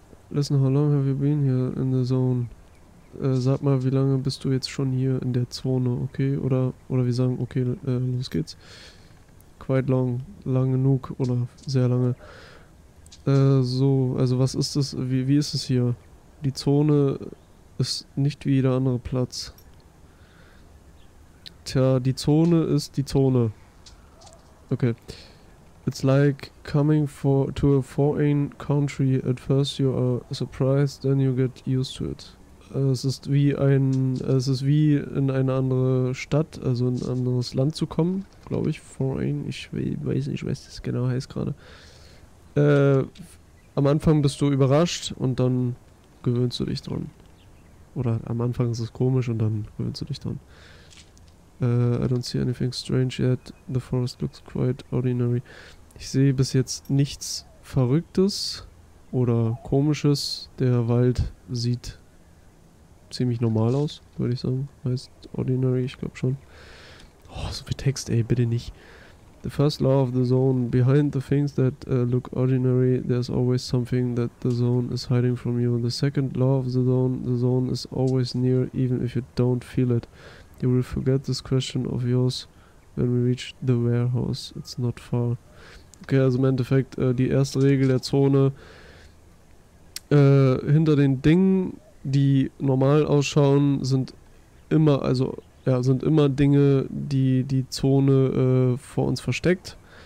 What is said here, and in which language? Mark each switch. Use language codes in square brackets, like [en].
[en] Listen, how long have you been here in the zone? [de] Sag mal, wie lange bist du jetzt schon hier in der Zone, okay? Oder wir sagen, okay, los geht's. [en] Quite long. [de] Lang genug oder sehr lange. So, also was ist das? Wie ist es hier? Die Zone ist nicht wie jeder andere Platz. Tja, die Zone ist die Zone. Okay. [en] It's like coming to a foreign country. At first you are surprised, then you get used to it. [de] Es ist wie in eine andere Stadt, also in ein anderes Land zu kommen, glaube ich. Foreign, ich weiß nicht, was das genau heißt gerade. Am Anfang bist du überrascht und dann gewöhnst du dich dran. Oder am Anfang ist es komisch und dann gewöhnst du dich dran. [en] I don't see anything strange yet. The forest looks quite ordinary. [de] Ich sehe bis jetzt nichts Verrücktes oder Komisches. Der Wald sieht ziemlich normal aus, würde ich sagen. Heißt ordinary, ich glaube schon. Oh, so viel Text, ey, bitte nicht. [en] The first law of the zone. Behind the things that look ordinary, there's always something that the zone is hiding from you. The second law of the zone is always near, even if you don't feel it. You will forget this question of yours when we reach the warehouse. It's not far. [de] Okay, also im Endeffekt, die erste Regel der Zone. Hinter den Dingen, die normal ausschauen, sind immer, also... Ja, sind immer Dinge, die die Zone vor uns versteckt.